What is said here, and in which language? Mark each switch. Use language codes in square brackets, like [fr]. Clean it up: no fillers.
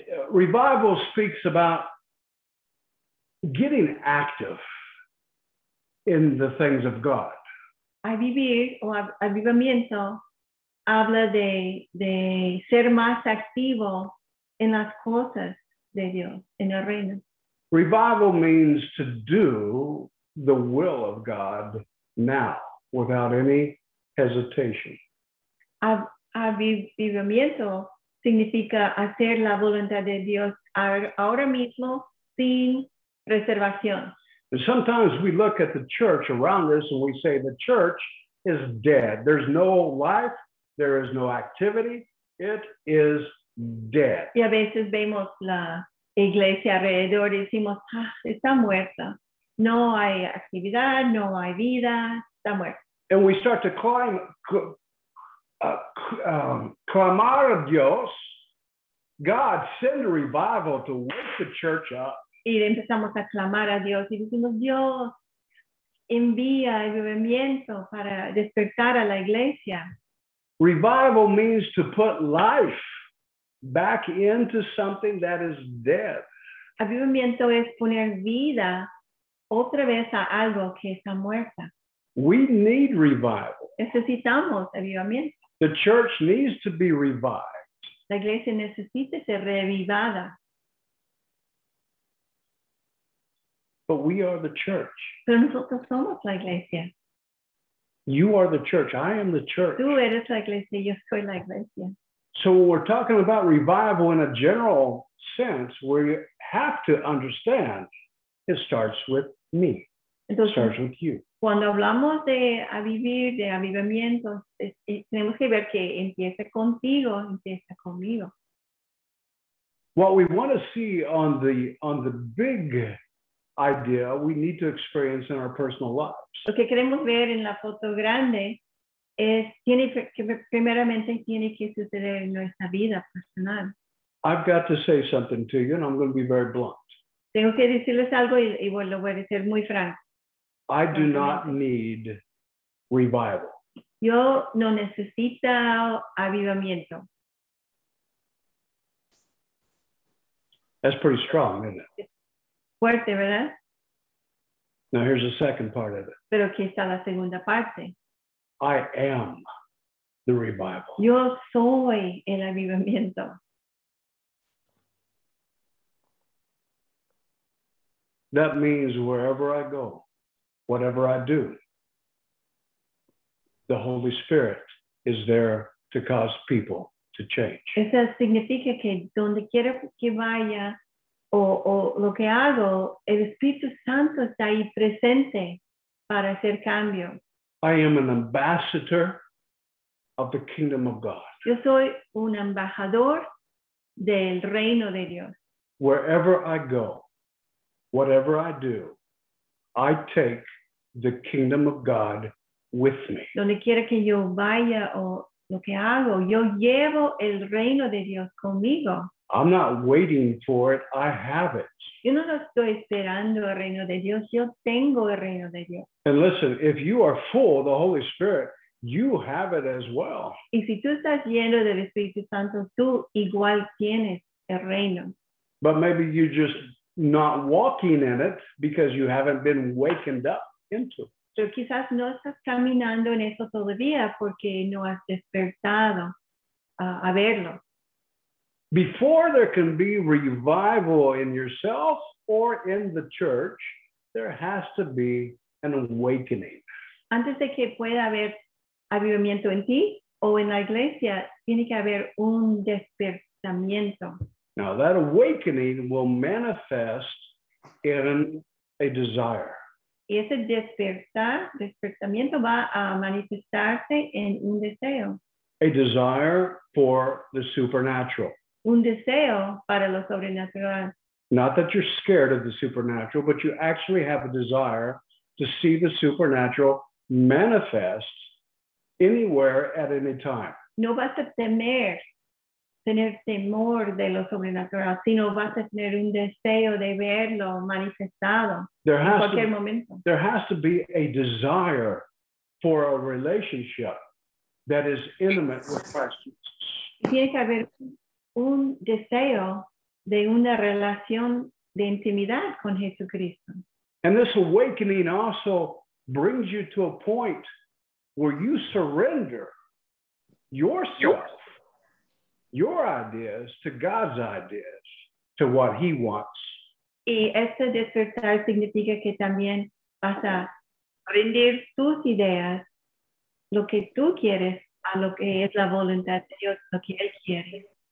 [en] Revival speaks about getting active in the things of God. [es] Avivir o avivamiento habla de ser más activo en las cosas de Dios, en el reino. [en] Revival means to do the will of God now without any hesitation. [es] Avivamiento significa hacer la voluntad de Dios ahora mismo sin reservación. [en] And sometimes we look at the church around us and we say the church is dead. There's no life. There is no activity. It is dead. [es] Y a veces vemos la iglesia alrededor y decimos, ah, está muerta. No hay actividad, no hay vida, está muerta. [en] And we start to [es] clamar a Dios, [en] God, send a revival to wake the church up. [es] Y empezamos a clamar a Dios y decimos, Dios, envía el avivamiento para despertar a la iglesia. [en] Revival means to put life back into something that is dead. [es] Avivamiento es poner vida otra vez a algo que está muerta. [en] We need revival. [es] Necesitamos avivamiento. [en] The church needs to be revived. [es] La iglesia necesita ser revivada. [en] But we are the church. [es] Pero nosotros somos la iglesia. [en] You are the church. I am the church. [es] Tú eres la iglesia. Yo soy la iglesia. [en] So we're talking about revival in a general sense where you have to understand it starts with me. [es] Entonces, [en] it starts with you. [es] Cuando hablamos de avivir, de avivamiento, tenemos que ver que empieza contigo, empieza conmigo. [en] What we want to see on the big idea we need to experience in our personal lives. [es] Lo que queremos ver en la foto grande es que primeramente tiene que suceder en nuestra vida personal. [en] I've got to say something to you, and I'm going to be very blunt. [es] Tengo que decirles algo y lo voy a decir muy franco. [en] I do not need revival. [es] Yo no necesito avivamiento. [en] That's pretty strong, isn't it? [es] Fuerte, ¿verdad? [en] Now here's the second part of it. [es] Pero aquí está la segunda parte. [en] I am the revival. [es] Yo soy el avivamiento. [en] That means wherever I go, whatever I do, the Holy Spirit is there to cause people to change. [es] Eso significa que donde quiera que vaya, o lo que hago, el Espíritu Santo está ahí presente para hacer cambio. [en] I am an ambassador of the kingdom of God. [es] Yo soy un embajador del reino de Dios. [en] Wherever I go, whatever I do, I take the kingdom of God with me. [es] Donde quiera que yo vaya o lo que hago, yo llevo el reino de Dios conmigo. [en] I'm not waiting for it. I have it. [es] Yo no estoy esperando el reino de Dios. Yo tengo el reino de Dios. [en] And listen, if you are full of the Holy Spirit, you have it as well. [es] Y si tú estás lleno del Espíritu Santo, tú igual tienes el reino. [en] But maybe you're just not walking in it because you haven't been wakened up into it. [es] Pero quizás no estás caminando en eso todavía porque no has despertado a verlo. [en] Before there can be revival in yourself or in the church, there has to be an awakening. [es] Antes de que pueda haber avivamiento en ti o en la iglesia, tiene que haber un despertamiento. [en] Now that awakening will manifest in a desire. [es] Y ese despertamiento va a manifestarse en un deseo. [en] A desire for the supernatural. [es] Un deseo para lo sobrenatural. [en] Not that you're scared of the supernatural, but you actually have a desire to see the supernatural manifest anywhere at any time. [es] No vas a tener temor de lo sobrenatural, sino vas a tener un deseo de verlo manifestado en cualquier momento. [en] There has to be a desire for a relationship that is intimate with Christ. [es] Tiene que haber un deseo de una relación de intimidad con Jesucristo. [en] And this awakening also brings you to a point where you surrender yourself, your ideas to God's ideas, to what he wants. [es] Y este despertar significa que también vas a rendir tus ideas, lo que tú quieres, a lo que es la voluntad de Dios, lo que él quiere.